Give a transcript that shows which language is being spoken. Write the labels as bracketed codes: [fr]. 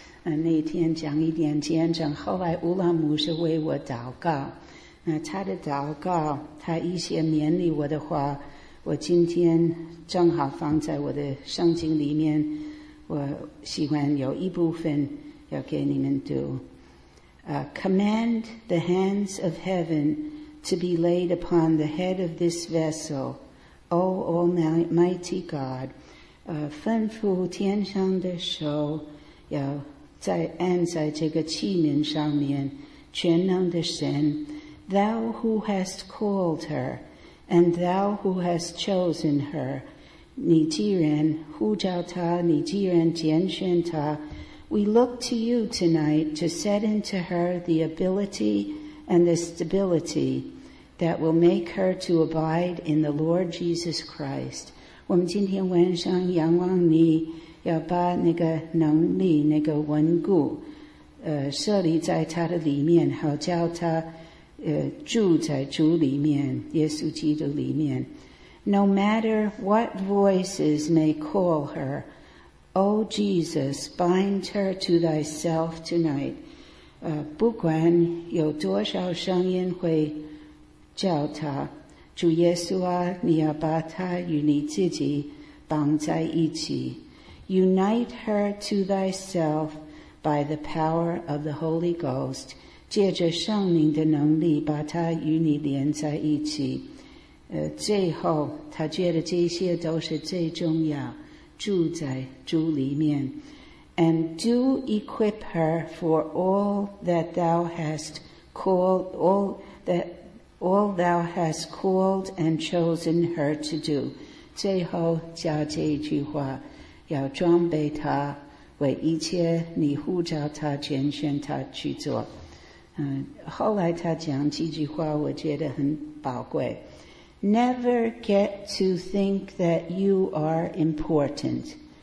[zh] 那天讲一点见证，后来乌拉姆是为我祷告，那他的祷告，他一些勉励我的话，我今天正好放在我的圣经里面，我喜欢有一部分要给你们读。 [en] Command the hands of heaven to be laid upon the head of this vessel, O Almighty God. [zh] 吩咐天上的手要在按在这个器皿上面，全能的神。 [en] Thou who hast called her, and thou who hast chosen her, [zh] 你既然呼召她，你既然拣选她， [en] We look to you tonight to set into her the ability and the stability that will make her to abide in the Lord Jesus Christ. [zh] 我们今天晚上仰望你，要把那个能力，那个稳固，设立在他的里面，好叫他住在主里面，耶稣基督里面。 [en] No matter what voices may call her, O Jesus, bind her to thyself tonight. [zh] 不管有多少声音会叫他，主耶稣啊，你要把他与你自己绑在一起。 [en] Unite her to thyself by the power of the Holy Ghost. [zh] 借着圣灵的能力把他与你连在一起。最后他觉得这些都是最重要，住在主里面。 [en] And do equip her for all that thou hast called, all thou hast called and chosen her to do. [zh] 最后加这一句话，要装备她为一切你呼召她、拣选她去做。后来他讲这句话，我觉得很宝贵。 [en] Never get to think that you are important.